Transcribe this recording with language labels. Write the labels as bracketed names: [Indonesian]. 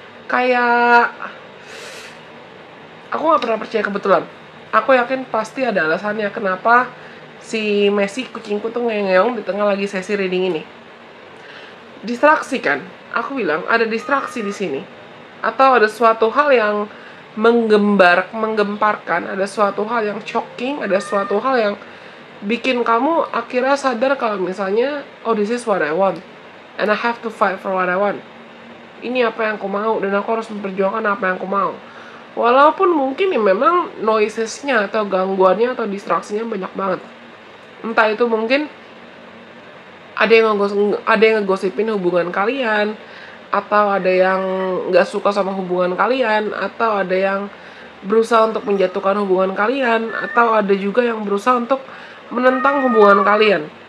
[Indonesian] Kayak aku gak pernah percaya kebetulan, aku yakin pasti ada alasannya kenapa si Messi kucingku tuh ngeyong-ngeyong di tengah lagi sesi reading ini. Distraksi kan? Aku bilang ada distraksi di sini. Atau ada suatu hal yang menggemparkan, ada suatu hal yang shocking, ada suatu hal yang bikin kamu akhirnya sadar kalau misalnya, [English] oh this is what I want and I have to fight for what I want. [Indonesian] Ini apa yang aku mau dan aku harus memperjuangkan apa yang aku mau. Walaupun mungkin ya memang noises-nya atau gangguannya atau distraksinya banyak banget. Entah itu mungkin ada yang ngegosipin hubungan kalian, atau ada yang gak suka sama hubungan kalian, atau ada yang berusaha untuk menjatuhkan hubungan kalian, atau ada juga yang berusaha untuk menentang hubungan kalian.